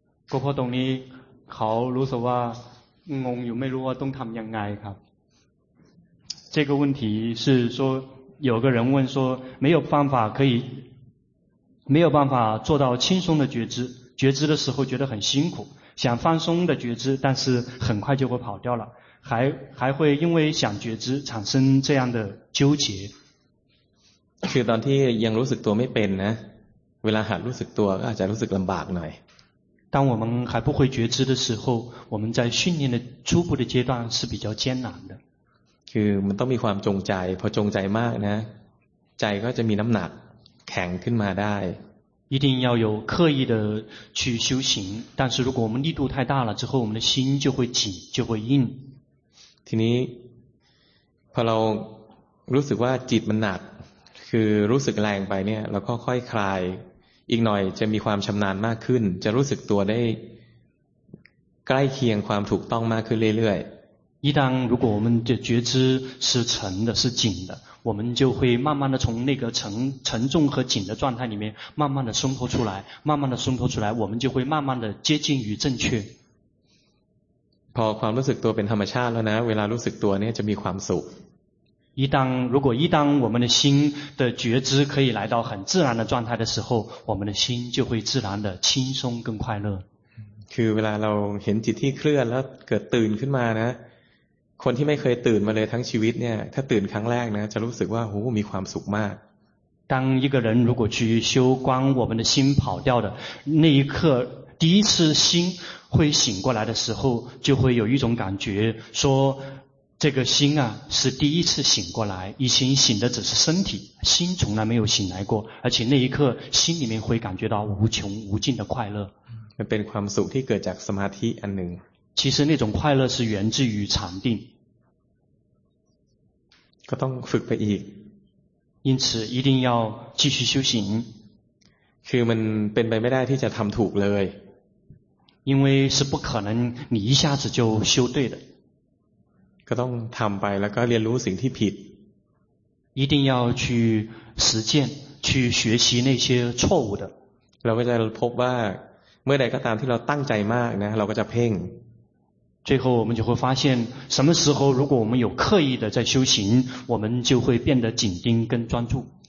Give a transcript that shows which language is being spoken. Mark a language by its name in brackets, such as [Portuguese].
[Thai] ก็เพราะตรงนี้เขารู้สึกว่างงอยู่ไม่รู้ว่าต้องทำยังไงครับ [Chinese] 这个问题是说有个人问说没有办法可以没有办法做到轻松的觉知，觉知的时候觉得很辛苦，想放松的觉知，但是很快就会跑掉了，还会因为想觉知产生这样的纠结。 [Thai] คือตอนที่ยังรู้สึกตัวไม่เป็นนะเวลาหัดรู้สึกตัวก็อาจจะรู้สึกลำบากหน่อย [Chinese] 当我们还不会觉知的时候，我们在训练的初步的阶段是比较艰难的。 [Thai] คือมันต้องมีความจงใจพอจงใจมากนะใจก็จะมีน้ำหนักแข็งขึ้นมาได้ [Chinese] 一定要有刻意的去修行但是如果我们力度太大了之后我们的心就会紧就会硬 [Thai] ทีนี้พอเรารู้สึกว่าจิตมันหนักคือรู้สึกแรงไปเนี่ยเราก็ค่อยคลายอีกหน่อยจะมีความชำนาญมากขึ้นจะรู้สึกตัวได้ใกล้เคียงความถูกต้องมากขึ้นเรื่อยๆ [Chinese] 一旦如果我们的觉知是沉的是紧的我们就会慢慢的从那个 沉重和紧的状态里面慢慢的松脱出来慢慢的松脱出来我们就会慢慢的接近于正确 [Thai] พอความรู้สึกตัวเป็นธรรมชาติแล้วนะเวลารู้สึกตัวเนี่ยจะมีความสุข [Chinese] 如果一旦我们的心的觉知可以来到很自然的状态的时候我们的心就会自然的轻松跟快乐 [Thai] คือเวลาเราเห็นจิตที่เคลื่อนแล้วเกิดตื่นขึ้นมานะคนที่ไม่เคยตื่นมาเลยทั้งชีวิตเนี่ยถ้าตื่นครั้งแรกนะจะรู้สึกว่าโหมีความสุขมาก [Chinese] 当一个人如果去修观我们的心跑掉的那一刻第一次心会醒过来的时候就会有一种感觉说这个心啊是第一次醒过来以前醒的只是身体心从来没有醒来过而且那一刻心里面会感觉到无穷无尽的快乐 [Thai] มันเป็นความสุขที่เกิดจากสมาธิอันหนึ่ง [Chinese] 其实那种快乐是源自于禅定 [Thai] ก็ต้องฝึกไปอีก [Chinese] 因此一定要继续修行 [Thai] คือมันเป็นไปไม่ได้ที่จะทำถูกเลย [Chinese] 因为是不可能你一下子就修对的 [Thai] ก็ต้องทำไปแล้วก็เรียนรู้สิ่งที่ผิด [Chinese] 一定要去实践去学习那些错误的 [Thai] เราก็จะพบว่าเมื่อใดก็ตามที่เราตั้งใจมากนะเราก็จะเพ่ง [Chinese] 最后我们就会发现什么时候如果我们有刻意的在修行我们就会变得紧盯跟专注